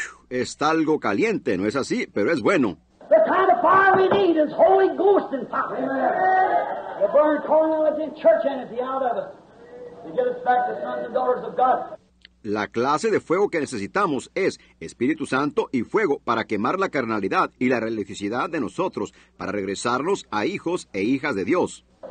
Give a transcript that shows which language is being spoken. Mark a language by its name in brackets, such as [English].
[Spanish] Está algo caliente, no es así, pero es bueno. [English] The kind of fire we need is Holy Ghost and fire. Amen. The burning cornelity and church energy out of us. To get us back to sons and daughters of God. [Spanish] La clase de fuego que necesitamos es Espíritu Santo y fuego para quemar la carnalidad y la religiosidad de nosotros, para regresarnos a hijos e hijas de Dios.